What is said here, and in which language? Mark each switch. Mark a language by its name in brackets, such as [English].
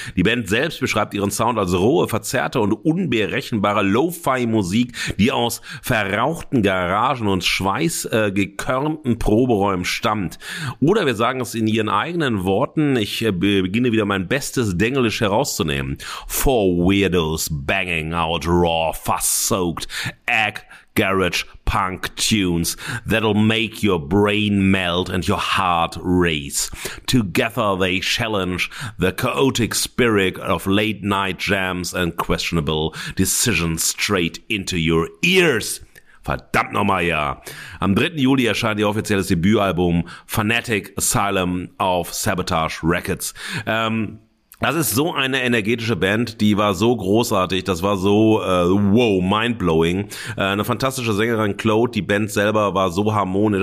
[German] Die Band selbst beschreibt ihren Sound als rohe, verzerrte und unberechenbare Lo-Fi-Musik, die aus verrauchten Garagen und schweißgekörnten Proberäumen stammt. Oder wir sagen es in ihren eigenen Worten, ich beginne wieder mein bestes Denglisch herauszunehmen. [English] Four weirdos banging out raw, fuss-soaked egg Garage Punk Tunes that'll make your brain melt and your heart race. Together they challenge the chaotic spirit of late night jams and questionable decisions straight into your ears. [German] Verdammt nochmal, ja. Am 3. Juli erscheint ihr offizielles Debütalbum Fanatic Asylum auf Sabotage Records. Das ist so eine energetische Band, die war so großartig, das war so wow, mindblowing. Eine fantastische Sängerin, Claude, die Band selber war so harmonisch.